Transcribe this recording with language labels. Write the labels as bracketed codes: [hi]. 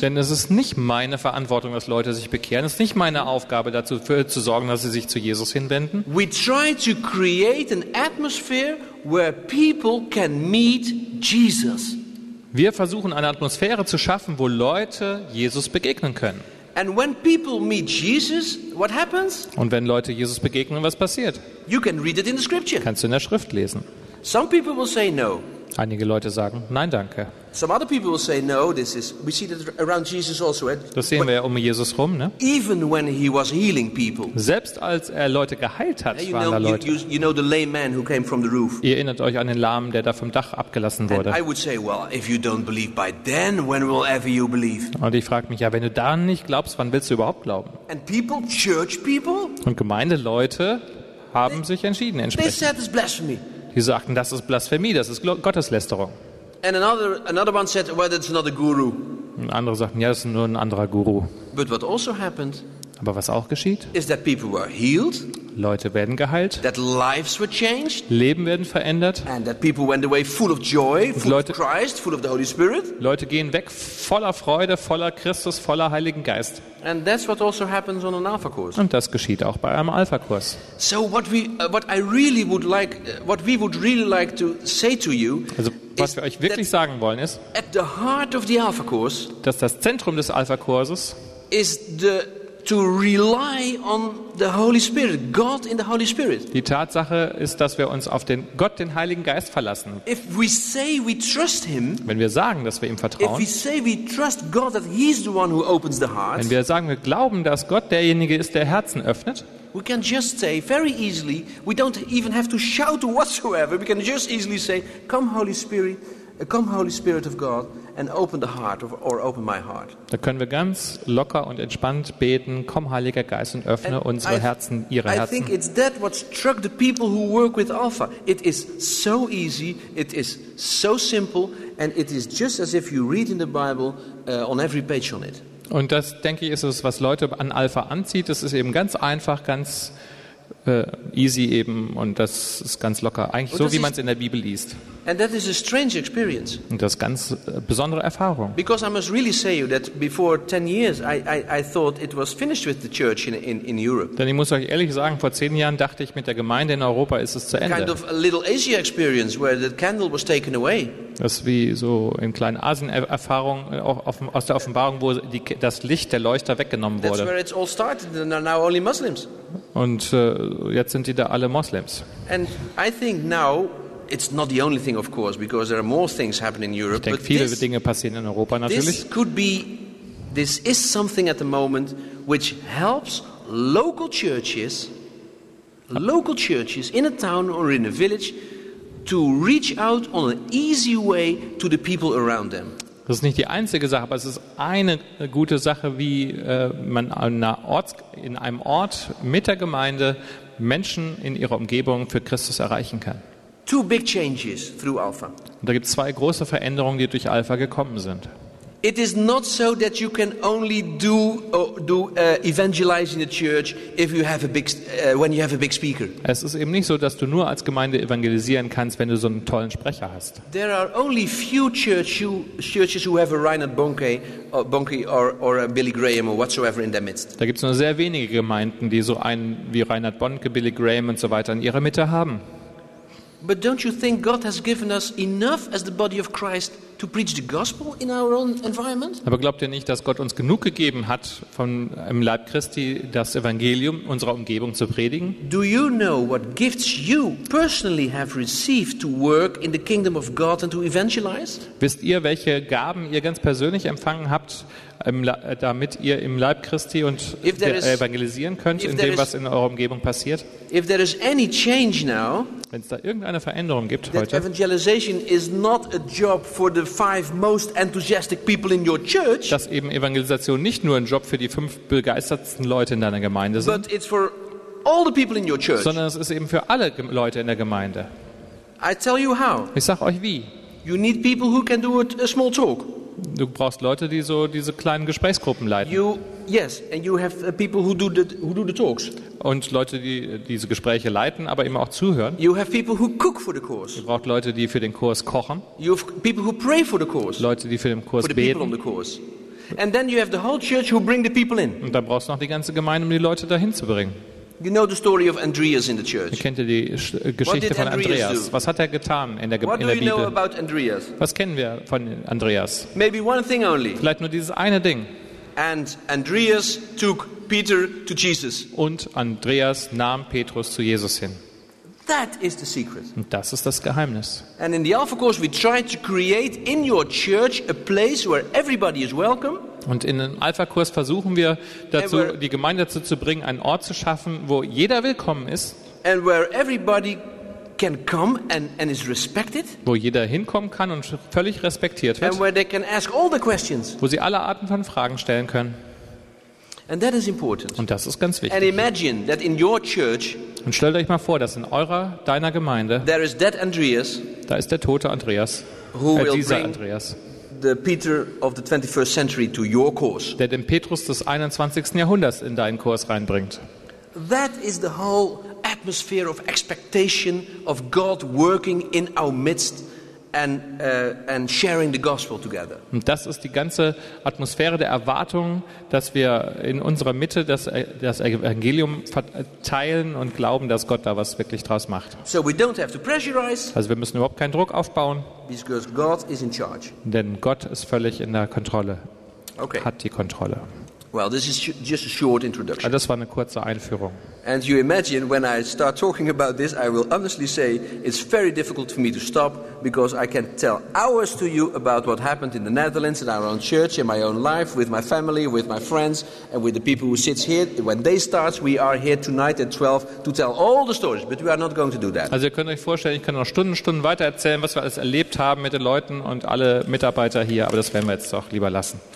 [de] Denn es ist nicht meine Verantwortung, dass Leute sich bekehren. Es ist nicht meine Aufgabe, dazu zu sorgen, dass sie sich zu Jesus hinwenden. [en] We try to create an atmosphere where people can meet Jesus. [de] Wir versuchen eine Atmosphäre zu schaffen, wo Leute Jesus begegnen können. [en] And when people meet Jesus, what happens? [de] Und wenn Leute Jesus begegnen, was passiert? [en] You can read it in the scripture. [de] Kannst du in der Schrift lesen. [en] Some people will say no. [de] Einige Leute sagen, nein, danke. [en] Some other people will say no, this is, we see that around Jesus also. [de] Das sehen wir ja um Jesus rum, ne? [en] Even when he was healing people. [de] Selbst als er Leute geheilt hat, waren da Leute. [en] You know the lame man who came from the roof. [de] Ihr erinnert euch an den Lahmen, der da vom Dach abgelassen wurde. [en] And I would say, well, if you don't believe by then, when will ever you believe? [de] Und ich frage mich ja, wenn du da nicht glaubst, wann willst du überhaupt glauben? [en] And people, church people? [de] Und Gemeindeleute haben sich entschieden, entsprechend. [en] They said it's blasphemy. [de] Die sagten, das ist Blasphemie, das ist Gotteslästerung. [en] And another one said, well, that's another guru. [de] Und andere sagten, ja, das ist nur ein anderer Guru. [en] But what also happened, [de] aber was auch geschieht, [en] is that people were healed, [de] Leute werden geheilt, [en] that lives were changed, [de] Leben werden verändert, [en] and that people went away full of joy, full of Christ, full of the Holy Spirit. [de] Leute gehen weg voller Freude, voller Christus, voller Heiligen Geist. [en] And that's what also happens on an Alpha course. [de] Und das geschieht auch bei einem Alpha Kurs. [en] So what we would really like to say to you, [de] also was wir euch wirklich sagen wollen ist, [en] at the heart of the Alpha course, [de] dass das Zentrum des Alpha Kurses [en] is the to rely on the Holy Spirit, God in the Holy Spirit. [de] Die Tatsache ist, dass wir uns auf den Gott, den Heiligen Geist verlassen. [en] If we say we trust him, [de] wenn wir sagen, dass wir ihm vertrauen. [en] If we say we trust God that he's the one who opens the heart. [de] Wenn wir sagen, wir glauben, dass Gott derjenige ist, der Herzen öffnet. [en] We can just say very easily, we don't even have to shout whatsoever. We can just easily say, come Holy Spirit of God. And open the heart, or open my heart. [de] Da können wir ganz locker und entspannt beten. Komm, Heiliger Geist, und öffne unsere Herzen, ihre Herzen. [en] I think it's that what struck the people who work with Alpha. It is so easy, it is so simple, and it is just as if you read in the Bible on every page on it. [de] Und das, denke ich, ist es, was Leute an Alpha anzieht. Das ist eben ganz einfach, ganz easy eben, und das ist ganz locker. Eigentlich so, wie man es in der Bibel liest. [en] And that is a strange experience. [de] Und das ist ganz besondere Erfahrung. [en] Because I must really say you that before 10 years I thought it was finished with the church in Europe. [de] Denn ich muss euch ehrlich sagen, vor 10 Jahren dachte ich, mit der Gemeinde in Europa ist es zu Ende. [en] Kind of a little Asia experience where the candle was taken away. [de] Das ist wie so in kleinen Asien Erfahrung aus der Offenbarung, wo das Licht der Leuchter weggenommen wurde. [en] That's where it's all started, and are now only Muslims. [de] Und jetzt sind die da alle Moslems. [en] And I think now it's not the only thing, of course, because there are more things happening in Europe. [de] Ich denke, viele Dinge passieren in Europa natürlich. [en] This could be this is something at the moment which helps local churches in a town or in a village, to reach out on an easy way to the people around them. [de] Das ist nicht die einzige Sache, aber es ist eine gute Sache, wie man in einem Ort mit der Gemeinde Menschen in ihrer Umgebung für Christus erreichen kann. [en] Two big changes through Alpha. [de] Und da gibt es zwei große Veränderungen, die durch Alpha gekommen sind. [en] It is not so that you can only evangelize in the church if you have a big when you have a big speaker. [de] Es ist eben nicht so, dass du nur als Gemeinde evangelisieren kannst, wenn du so einen tollen Sprecher hast. [en] There are only few churches who have a Reinhard Bonnke or a Billy Graham or whatsoever in their midst. [de] Da gibt's nur sehr wenige Gemeinden, die so einen wie Reinhard Bonnke, Billy Graham und so weiter in ihrer Mitte haben. [en] But don't you think God has given us enough as the body of Christ to preach the gospel in our own environment? [de] Aber glaubt ihr nicht, dass Gott uns genug gegeben hat, von im Leib Christi das Evangelium unserer Umgebung zu predigen? [en] Do you know what gifts you personally have received to work in the kingdom of God and to evangelize? [de] Wisst ihr, welche Gaben ihr ganz persönlich empfangen habt, damit ihr im Leib Christi und evangelisieren könnt in dem, was in eurer Umgebung passiert? [en] If there is any change now, [de] wenn es da irgendeine Veränderung gibt heute, [en] evangelization is not a job for the five most enthusiastic people in your church, [de] dass eben Evangelisation nicht nur ein Job für die fünf begeistertsten Leute in deiner Gemeinde sind, [en] but it's for all the people in your church, [de] sondern es ist eben für alle Leute in der Gemeinde. [en] I tell you how. [de] Ich sag euch wie. [en] You need people who can do a small talk. [de] Du brauchst Leute, die so diese kleinen Gesprächsgruppen leiten. [en] Yes, and you have people who do the talks. [de] Und Leute, die diese Gespräche leiten, aber immer auch zuhören. [en] You have people who cook for the course. [de] Du brauchst Leute, die für den Kurs kochen. [en] You have people who pray for the course. [de] Leute, die für den Kurs [en] for [de] beten. [en] The people on the course. And then you have the whole church who bring the people in. [de] Und dann brauchst du noch die ganze Gemeinde, um die Leute dahin zu bringen. [en] You know the story of Andreas in the church. [de] Kennt ihr die Geschichte von Andreas? Was hat er getan in der Bibel? [en] What do you know about Andreas? [de] Was kennen wir von Andreas? [en] Maybe one thing only. [de] Vielleicht nur dieses eine Ding. [en] And Andreas took Peter to Jesus. [de] Und Andreas nahm Petrus zu Jesus hin. [en] That is the secret. [de] Und das ist das Geheimnis. [en] And in the Alpha course we try to create in your church a place where everybody is welcome. [de] Und in einem Alpha-Kurs versuchen wir, dazu, die Gemeinde dazu zu bringen, einen Ort zu schaffen, wo jeder willkommen ist. [en] And where everybody can come and is respected. [de] Wo jeder hinkommen kann und völlig respektiert wird. [en] And where they can ask all the questions. [de] Wo sie alle Arten von Fragen stellen können. [en] And that is important. [de] Und das ist ganz wichtig. [en] And imagine that in your church, [de] und stellt euch mal vor, dass in eurer, deiner Gemeinde, [en] there is that Andreas, [de] da ist der tote Andreas, dieser Andreas. [en] The Peter of the 21st century to your course. [de] Der den Petrus des 21. Jahrhunderts in deinen Kurs reinbringt. [en] That is the whole atmosphere of expectation of God working in our midst and sharing the gospel together. [de] Und das ist die ganze Atmosphäre der Erwartung, dass wir in unserer Mitte das Evangelium verteilen und glauben, dass Gott da was wirklich draus macht. [en] So we don't have to pressurize. [de] Also wir müssen überhaupt keinen Druck aufbauen. [en] Because God is in charge. [de] Denn Gott ist völlig in der Kontrolle. [en] Okay. [de] Hat die Kontrolle. [en] Well, this is just a short introduction. [de] Also das war eine kurze Einführung. [en] And you imagine when I start talking about this, I will honestly say it's very difficult for me to stop because I can tell hours to you about what happened in the Netherlands, in our own church, in my own life, with my family, with my friends, and with the people who sit here. When day starts, we are here tonight at 12 to tell all the stories, but we are not going to do that. [de] Also ihr könnt euch vorstellen, ich kann noch Stunden weiter erzählen, was wir alles erlebt haben mit den Leuten und alle Mitarbeiter hier, aber das werden wir jetzt doch lieber lassen.